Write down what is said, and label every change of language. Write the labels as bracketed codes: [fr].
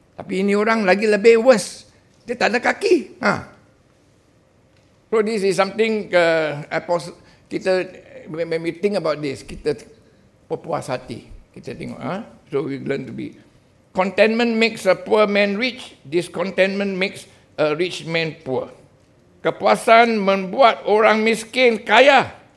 [ms] Tapi ini orang lagi lebih worse. Dia tak ada kaki. Ha. [en] So this is something kita, when we think about this, [ms] kita berpuas hati. Kita tengok. [en] Ha? So we learn to be. Contentment makes a poor man rich. Discontentment makes a rich man poor. [ms] Kepuasan membuat orang miskin kaya.